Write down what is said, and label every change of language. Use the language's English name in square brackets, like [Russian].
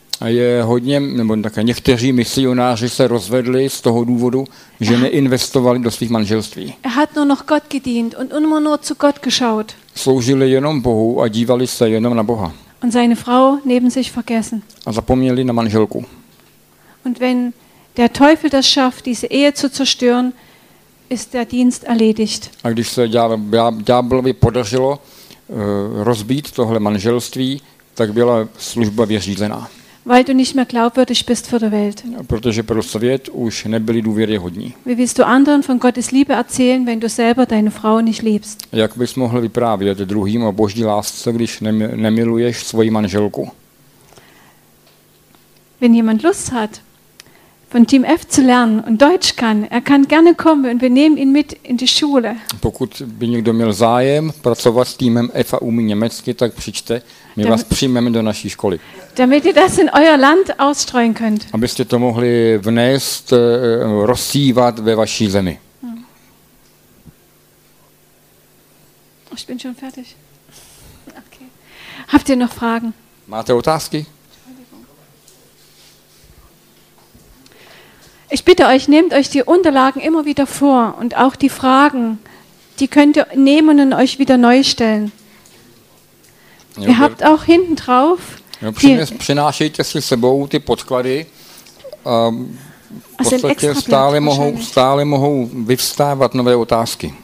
[Czech] A je hodně, nebo také někteří misionáři se rozvedli z toho důvodu, že neinvestovali do svých manželství. [German] Er hat nur noch Gott gedient und immer nur zu Gott geschaut. [Czech] Sloužili jenom Bohu a dívali se jenom na Boha. [German] Und seine Frau neben sich vergessen. [Czech] A zapomněli na manželku. [German] Und wenn der Teufel das schafft, diese Ehe zu zerstören, ist der Dienst erledigt. [Czech] A když se ďáblovi podařilo rozbít tohle manželství, tak byla služba vyřízená. [German] Weil du nicht mehr glaubwürdig bist für die Welt. [Czech] Protože pro svět už nebyli důvěryhodní. [German] Wie willst du anderen von Gottes Liebe erzählen, wenn du selber deine Frau nicht liebst? [Czech] Jak bys mohl vyprávět druhým o Boží lásce, když nemiluješ svoji manželku? [German] Wenn jemand Lust hat, von Team F zu lernen und Deutsch kann, er kann gerne kommen und wir nehmen ihn mit in die Schule. [Czech] Pokud by někdo měl zájem pracovat s týmem F a umí německy, tak přičte, my vás přijmeme do naší školy. [German] Damit ihr das in euer Land ausstreuen könnt. [Czech] Abyste to mohli vnést, rozsívat ve vaší zemi. Hm. [German] Ich bin schon fertig. Okay. Habt ihr noch Fragen? [Czech] Máte otázky? [German] Ich bitte euch, nehmt euch die Unterlagen immer wieder vor und auch die Fragen, die könnt ihr nehmen und euch wieder neu stellen. Jo, ihr habt auch hinten drauf. [Czech] Přinášejte si sebou ty podklady. V podstatě stále mohou vyvstávat nové otázky.